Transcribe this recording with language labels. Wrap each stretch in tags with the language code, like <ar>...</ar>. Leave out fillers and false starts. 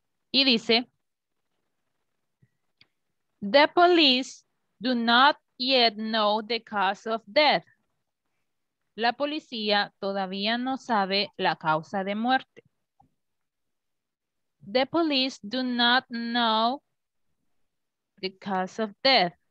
<en>Y dice, the police do not yet know the cause of death.</en> <es>La policía todavía no sabe la causa de muerte.</es> <en>The police do not know the cause of death.</en>